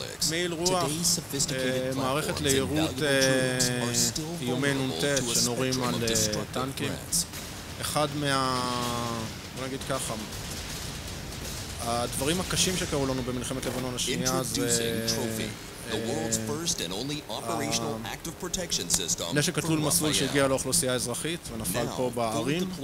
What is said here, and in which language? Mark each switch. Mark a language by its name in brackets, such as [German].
[Hebrew] מעיל רוח, מערכת להירות איומי נונטט שנורים על טנקים. אחד מה... בוא נגיד ככה, הדברים הקשים שקרו לנו במלחמת לבנון השנייה זה... [English] The world's first and only operational active protection system. [Hebrew] נשק התלול מסלול שהגיע לאוכלוסייה האזרחית ונפל פה בערים.